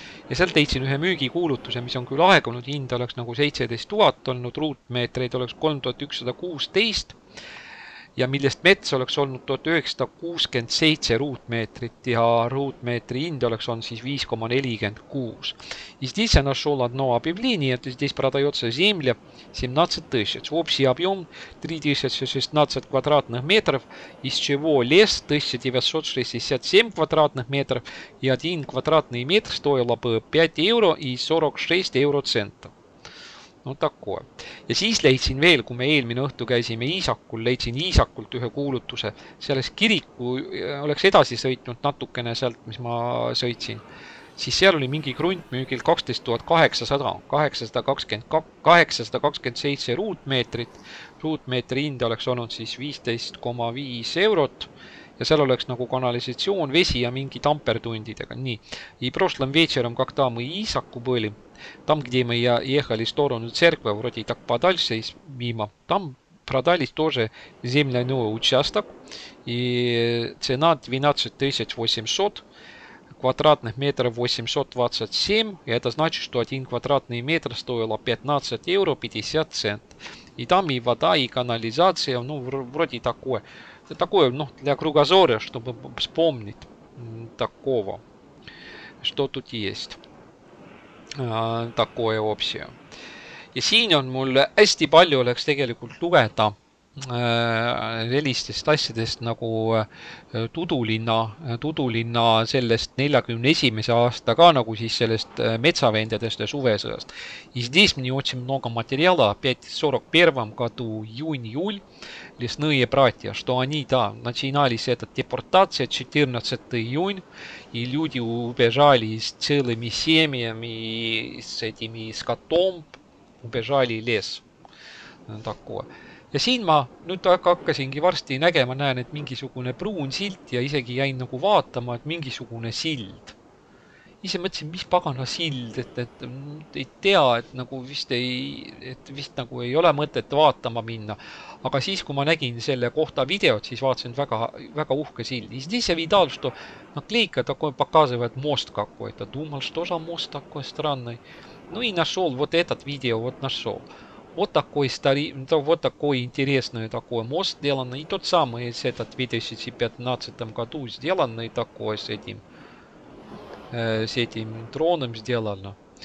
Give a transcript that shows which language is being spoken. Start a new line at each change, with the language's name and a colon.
Estonian: Ja seal leidsin ühe müügikuulutuse, mis on küll aegunud. Hind oleks nagu 17 000 olnud, ruutmeetreid oleks 3116. ja millest mets oleks olnud 1967 ruutmeetrit ja ruutmeetri hind oleks on siis 5,46.
Russian: И здесь я нашел одно объявление, то есть здесь продается земля 17 тысяч. Общий объем 3016 квадратных метров, из чего лес 1967 квадратных метров и один квадратный метр стоило бы 5 евро и 46 евроцентов. No takkua.
Estonian: Ja siis leidsin veel, kui me eelmine õhtu käisime Iisakul, leidsin Iisakult ühe kuulutuse. Selles kiriku oleks edasi sõitnud natukene sealt, mis ma sõitsin. Siis seal oli mingi krundmüügil 12 800, 827 ruutmeetrit. Ruutmeetri hind oleks olnud siis 15,5 eurot. Ja seal oleks nagu kanalisatsioon, vesi ja mingi tampertundidega. Nii.
Russian: И прошлым вечером, когда мы Iisaku были, там, где мы ехали в сторону церкви, вроде так подальше, мимо, там продались тоже земляной участок. И цена 12 800, квадратных метров 827. И это значит, что один квадратный метр стоил 15 евро 50 цент. И там и вода, и канализация, ну, вроде такое. Такое, ну, для кругозора, чтобы вспомнить такого, что тут есть. Такое общее.
Estonian: Ja siin on mul hästi palju oleks tegelikult lugeda sellistest asjadest nagu Tudulinna sellest 41. aasta ka nagu siis sellest metsavendedest ja suvesõjast.
Russian: И здесь мне очень много материала опять 41-м году июнь-июль лесные братья, что они да, начинались этот депортация 14 июнь и люди убежали с целыми семьями с этими скотом убежали лес. Такое.
Estonian: Ja siin ma nüüd hakkasingi varsti nägema, näen, et mingisugune pruun silt ja isegi jäin nagu vaatama, et mingisugune sild. Ise mõtlesin, mis pagana sild, et ei tea, et nagu vist ei, et vist nagu ei ole mõtet vaatama minna. Aga siis, kui ma nägin selle kohta videot, siis vaatasin väga, väga uhke sild.
Russian: И здесь я видал, что наклейка такой показывает мост какой-то. Думал, что за мост такой странный. Ну и нашел вот этот видео, вот нашел. Вот такой старый, вот такой интересный такой мост сделанный. И тот самый с этот 2015 году сделанный такой с этим троном сделано.